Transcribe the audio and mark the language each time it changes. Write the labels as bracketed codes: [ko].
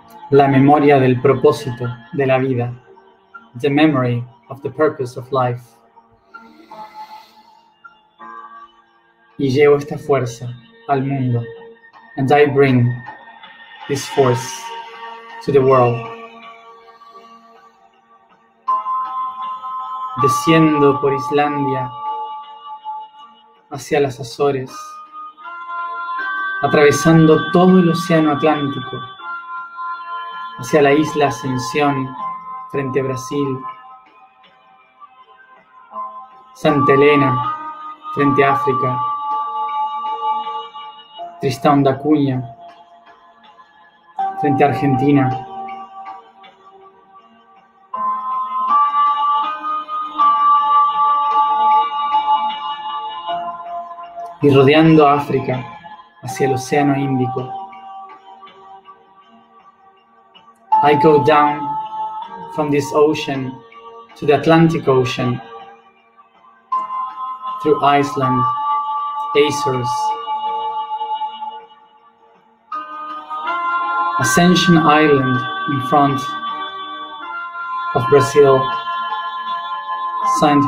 [es] La memoria del propósito de la vida. [en] The memory of the purpose of life. [es] Y llevo esta fuerza al mundo. [en] And I bring this force to the world. [es] Desciendo por Islandia hacia las Azores, atravesando todo el océano Atlántico, hacia la isla Ascensión, frente a Brasil, Santa Elena, frente a África, Tristán da Cunha, frente a Argentina, y rodeando África, hacia el Océano Índico. [en] I go down from this ocean to the Atlantic Ocean, through Iceland, Azores, Ascension Island in front of Brazil, St.